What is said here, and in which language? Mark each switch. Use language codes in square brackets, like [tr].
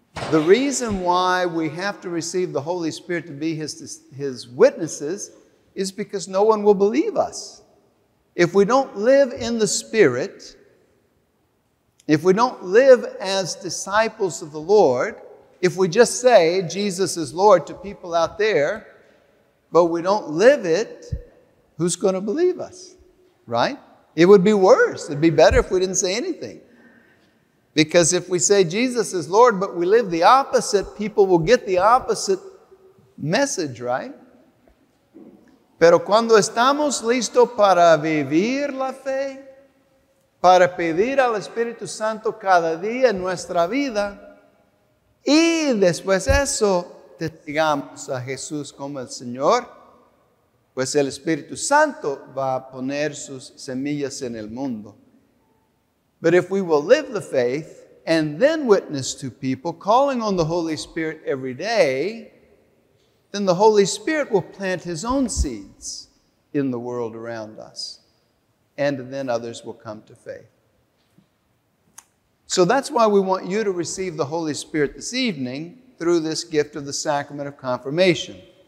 [en] The reason why we have to receive the Holy Spirit to be his witnesses is because no one will believe us. If we don't live in the Spirit, if we don't live as disciples of the Lord, if we just say Jesus is Lord to people out there, but we don't live it, who's going to believe us, right? It would be worse. It'd be better if we didn't say anything. Because if we say Jesus is Lord, but we live the opposite, people will get the opposite message, right? [es] Pero cuando estamos listos para vivir la fe, para pedir al Espíritu Santo cada día en nuestra vida, y después eso, testigamos a Jesús como el Señor, pues el Espíritu Santo va a poner sus semillas en el mundo. [en] But if we will live the faith and then witness to people, calling on the Holy Spirit every day, then the Holy Spirit will plant his own seeds in the world around us. And then others will come to faith. So that's why we want you to receive the Holy Spirit this evening through this gift of the sacrament of confirmation.